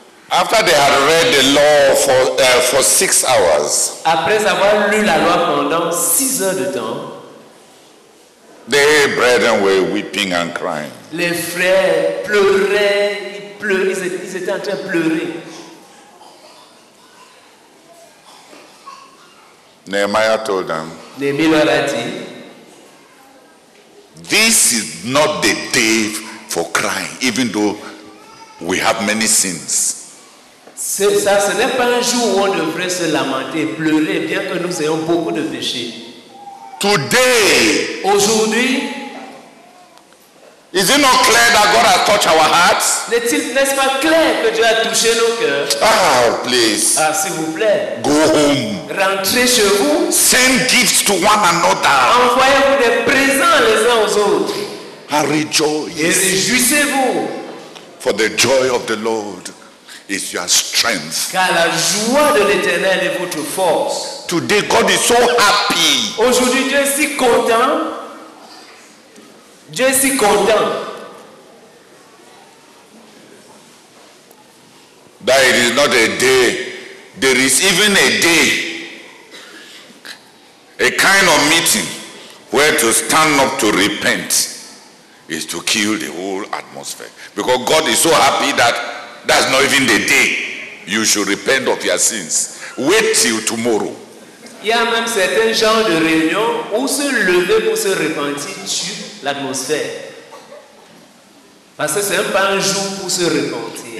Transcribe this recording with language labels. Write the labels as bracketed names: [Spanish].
[English] After they had read the law for 6 hours, [French] après avoir lu la loi pendant 6 heures de temps, [English] they brethren were weeping and crying. [French] Les frères pleuraient, ils étaient en train de pleurer. [English] Nehemiah told them, [French] Nehemiah dit, [English] this is not the day for crying, even though we have many sins. [French] Ça, ce n'est pas un jour où on devrait se lamenter, pleurer, bien que nous ayons beaucoup de péchés. [English] Today, [French] aujourd'hui, [English] is it not clear that God has touched our hearts? [French] N'est-ce pas clair que Dieu a touché nos cœurs? [English] Ah, please. [French] Ah, s'il vous plaît. [English] Go home. [French] Rentrez chez vous. [English] Send gifts to one another. [French] Envoyez-vous des présents les uns aux autres. [English] And rejoice. [French] Et réjouissez-vous. [English] For the joy of the Lord is your strength. [French] Car la joie de l'Éternel est votre force. [English] Today, God is so happy. [French] Aujourd'hui, Dieu est si content. Dieu est si content. [English] That it is not a day. There is even a day, a kind of meeting where to stand up to repent is to kill the whole atmosphere. Because God is so happy that that's not even the day you should repent of your sins. Wait till tomorrow. [French] Il y a même certains genres de réunions où se lever pour se repentir tue l'atmosphère. Parce que ce n'est pas un jour pour se repentir.